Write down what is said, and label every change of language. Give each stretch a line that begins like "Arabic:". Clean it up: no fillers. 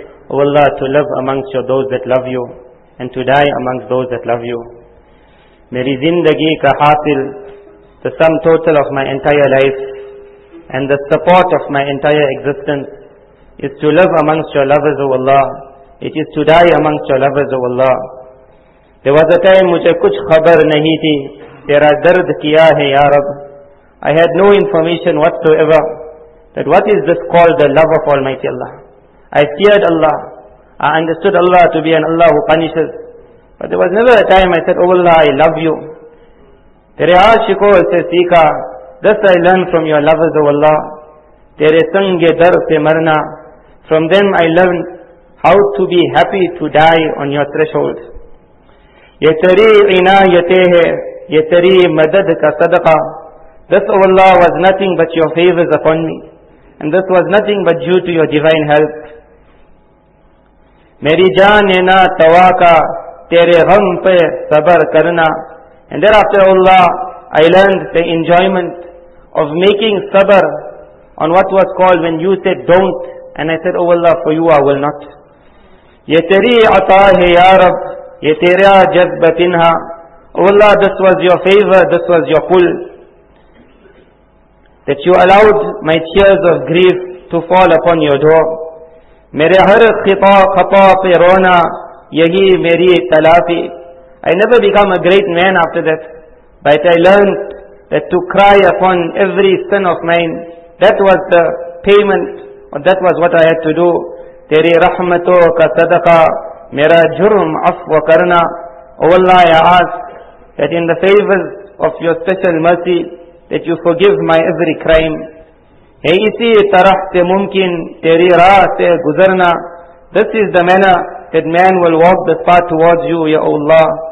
English: Oh Allah, to live amongst your those that love you and to die amongst those that love you.
Urdu: میری زندگی کا حاصل,
English: the sum total of my entire life and the support of my entire existence is to live amongst your lovers, oh Allah. It is to die amongst your lovers, oh Allah. There was a time
Urdu: مجھے کچھ خبر نہیں تھی تیرا درد کیا ہے یا رب.
English: I had no information whatsoever that what is this called the love of Almighty Allah. I feared Allah. I understood Allah to be an Allah who punishes. But there was never a time I said, Oh Allah, I love you.
Urdu: تیرے عاشقوں سے سیکھا,
English: thus I learned from your lovers, Oh Allah.
Urdu: تیرے سنگ در سے مرنا,
English: from them I learned how to be happy to die on your threshold.
Urdu: یہ تری عنایتیں ہیں, یہ تری مدد کا صدقہ.
English: This, O Allah, was nothing but your favors upon me. And this was nothing but due to your divine help.
Urdu: میری جان نا توا کا تیرے غم پہ صبر کرنا.
English: And thereafter, O Allah, I learned the enjoyment of making sabr on what was called when you said don't. And I said, O Allah, for you I will not.
Urdu: یہ تری عطا ہے یا رب, یہ تیرا جذب تنہا.
English: Oh Allah, this was your favor, this was your pull, that you allowed my tears of grief to fall upon your door.
Urdu: میرے ہر خطا پہ رونا, یہی میری تلافی.
English: I never become a great man after that, but I learned that to cry upon every sin of mine, that was the payment, or that was what I had to do.
Urdu: تیری رحمتوں کا صدقہ, میرا جرم عفو کرنا.
English: Oh Allah, I ask that in the favors of your special mercy, that you forgive my every crime.
Urdu: Hey, isi tarah se mumkin teri raah se guzarna.
English: This is the manner that man will walk this path towards you, Ya Allah.